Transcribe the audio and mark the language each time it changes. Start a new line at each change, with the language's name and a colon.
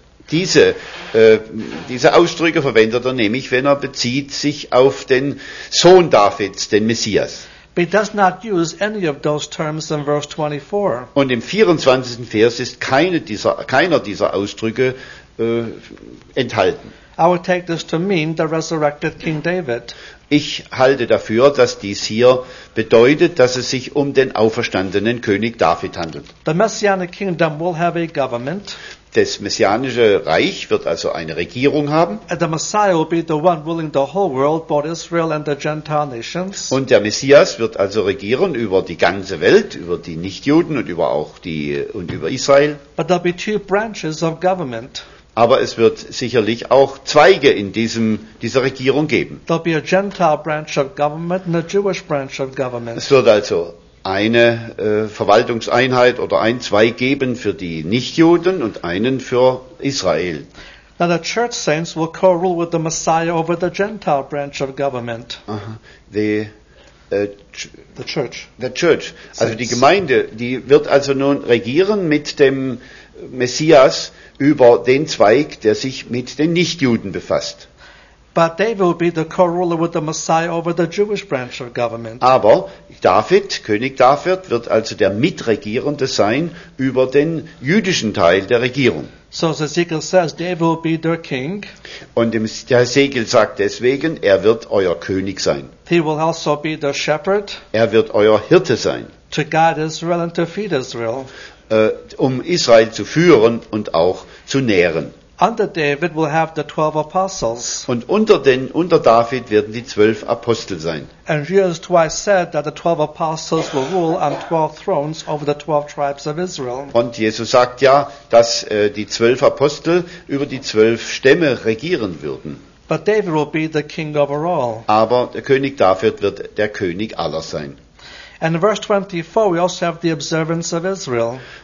German: Diese Ausdrücke verwendet er nämlich, wenn er bezieht sich auf den Sohn Davids, den Messias.
English: But he does not use any of those terms in verse 24.
German: Und im 24. Vers ist keiner dieser Ausdrücke enthalten.
English: I would take this to mean the resurrected King David.
German: Ich halte dafür, dass dies hier bedeutet, dass es sich um den auferstandenen König David handelt.
English: The Messianic Kingdom will have a government.
German: Das messianische Reich wird also eine Regierung haben.
English: And the Messiah will be the one ruling the whole world, both Israel and the Gentile nations.
German: Und der Messias wird also regieren über die ganze Welt, über die Nichtjuden und über auch die und über Israel.
English: But there'll be two branches of government.
German: Aber es wird sicherlich auch Zweige in dieser Regierung geben.
English: There'll be a Gentile branch of government and a Jewish branch of government.
German: Es wird also eine Verwaltungseinheit oder ein Zweig geben für die Nichtjuden und einen für Israel.
English: Now the church saints will co-rule with the Messiah over the Gentile branch of government. The church.
German: Also die Gemeinde, die wird also nun regieren mit dem Messias über den Zweig, der sich mit den Nichtjuden befasst.
English: But David will be the co-ruler with the Messiah over the Jewish branch of government.
German: Aber David, König David, wird also der Mitregierende sein über den jüdischen Teil der Regierung.
English: So as Ezekiel says, David will be their king.
German: Und der Ezekiel sagt deswegen, er wird euer König sein.
English: He will also be the shepherd.
German: Er wird euer Hirte sein.
English: To guide Israel and to feed Israel.
German: Um Israel zu führen und auch zu nähren.
English: Under David will have the 12 apostles.
German: Und unter David werden die 12 Apostel sein.
English: And Jesus twice said that the 12 apostles will rule on 12 thrones over the 12 tribes of Israel.
German: Und Jesus sagt ja, dass die 12 Apostel über die 12 Stämme regieren würden.
English: But David will be the king over all.
German: Aber der König David wird der König aller sein.
English: And in verse 24 we also have the observance of Israel.